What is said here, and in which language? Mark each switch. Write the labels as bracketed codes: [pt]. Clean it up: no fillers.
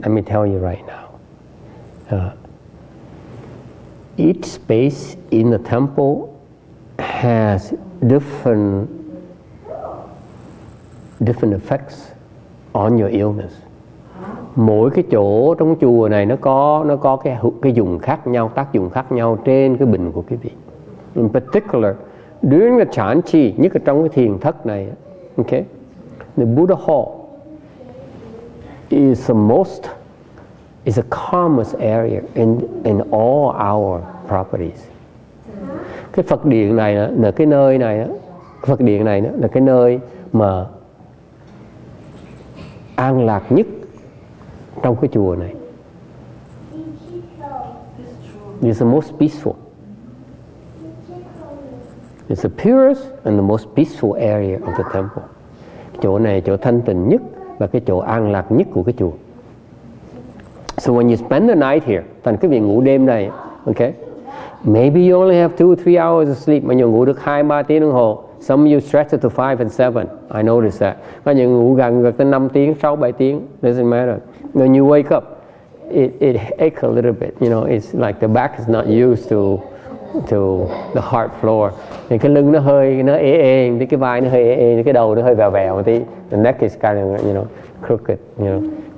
[en] Let me tell you right now. Each space in the temple has different effects on your illness. [vi] Mỗi cái chỗ trong chùa này nó có cái dùng khác nhau, tác dụng khác nhau trên cái bệnh của quý vị. [en] In particular, during the chan chi, [vi] nhất là trong cái thiền thất này, [en] okay, the Buddha hall is the calmest area in all our properties. [vi] Cái Phật điện này là cái nơi này đó, Phật điện này là cái nơi mà an lạc nhất trong cái chùa này. [en] It's the most peaceful. It's the purest and the most peaceful area of the temple. [vi] Chỗ này chỗ thanh tịnh nhất và cái chỗ an lạc nhất của cái chùa. [en] So when you spend the night here, [vi] thành cái việc ngủ đêm này, [en] okay? Maybe you only have 2-3 hours of sleep. [vi] Mà nhiều ngủ được 2-3 tiếng đồng hồ. [en] Some of you stretch it to 5 and 7. I notice that. [vi] Mà nhiều ngủ gần tới 5 tiếng, 6-7 tiếng. [en] Doesn't matter. When you wake up, it aches a little bit. You know, it's like the back is not used to the hard floor. [vi] Thì cái lưng nó hơi ê ê, thì cái vai nó hơi ê ê, cái đầu nó hơi vèo vèo một tí. [en] The neck is kind of, you know, crooked, you know.